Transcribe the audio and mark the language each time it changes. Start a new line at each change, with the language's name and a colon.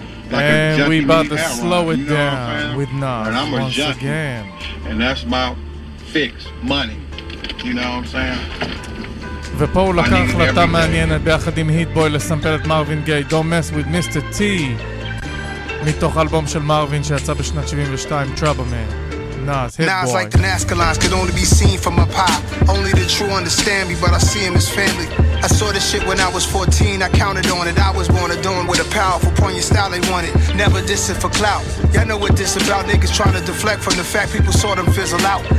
English: And we about to slow it down with Nas once again. And that's my fix, money. You know what I'm saying?
Hebrew: ופה הוא לקח החלטה מעניינת ביחד עם היטבוי לסמפל את מרווין גיי, Don't Mess With Mr. T, מתוך אלבום של מרווין שיצא בשנת 72, Trouble Man.
English: Nas, hit boy. Nas like the Nazca lines could only be seen from up high. Only the true understand me, but I see him as family. I saw this shit when I was 14, I counted on it. I was born adorned with a powerful, poignant style they wanted. Never dissing for clout. Y'all know what this about, niggas trying to deflect from the fact people saw them fizzle out.